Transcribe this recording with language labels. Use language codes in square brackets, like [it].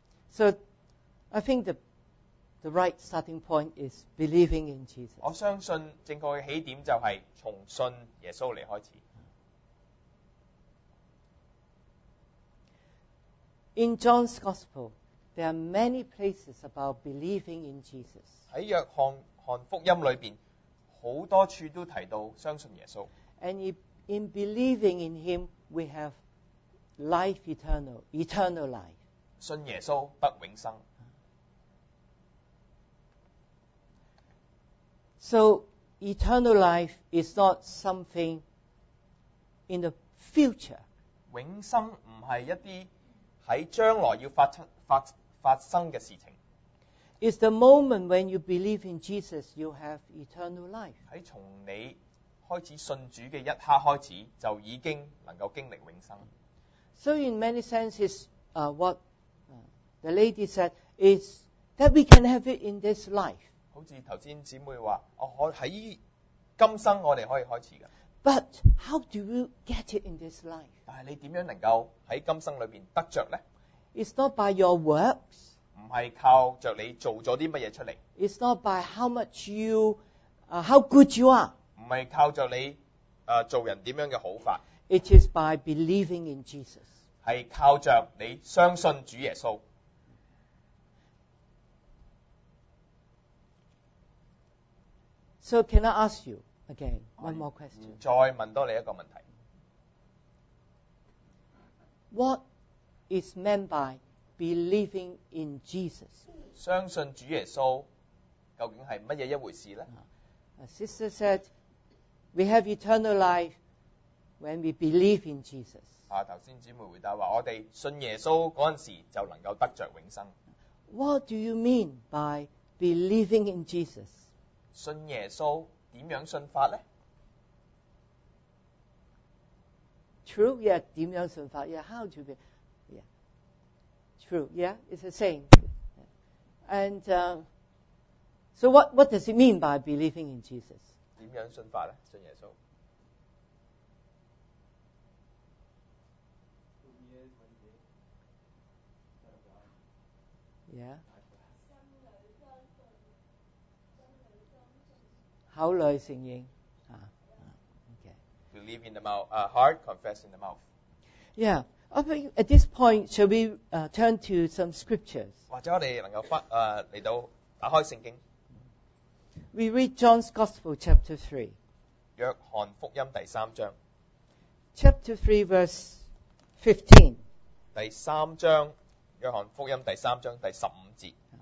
[en] So, I think the right starting point is believing in Jesus. [zh] 我相信正确的起点就是从信耶稣来开始。 [en] In John's Gospel,There are many places about believing in Jesus. [zh] 在約翰福音裏面，很多處都提到相信耶穌。 [en] And in believing in Him, we have life eternal, eternal life. [zh] 信耶穌得永生。 [en] So, eternal life is not something in the future. [zh] 永生不是一些在將來要發生的事情。 [en] It's the moment when you believe in Jesus, you have eternal life. [zh] 在從你開始信主的一刻開始，就已經能夠經歷永生。 [en] So in many senses, what the lady said is that we can have it in this life. [zh] 好像剛才姊妹說，在今生我們可以開始的。 [en] But how do you get it in this life? [zh] 但是你怎樣能夠在今生裡面得著呢？ [en] It's not by your works. [zh] 不是靠著你做了什麼出來。 [en] It's not by how much you, how good you are. [zh] 不是靠著你做人怎樣的好法。 [en] It is by believing in Jesus. [zh] 是靠著你相信主耶穌。 [en] So can I ask you again, one more question? [zh] 再問多你一個問題。 [en] What? Is meant by believing in Jesus. [zh] 相信主耶稣究竟是什么一回事呢? [en] A sister said, we have eternal life when we believe in Jesus. [zh] 刚才姊妹回答说，我们信耶稣那时候就能够得着永生。 [en] What do you mean by believing in Jesus? [zh] 信耶稣怎样信法呢? [en] True, yeah, [zh] 怎样信法? [en] Yeah, how to be... True, yeah, it's the same. And so what does it mean by believing in Jesus? [zh] 怎樣信法呢? 信耶穌? Yeah. 口裡承認。 [en] Believe in the mouth, heart, confess in the mouth. Yeah. I think at this point, shall we turn to some scriptures? [zh] 或者我們能夠來到打開聖經。 [en] We read John's Gospel, chapter 3. [zh] 約翰福音第三章。 [en] Chapter 3, verse 15. [zh] 第三章，約翰福音第三章第十五節。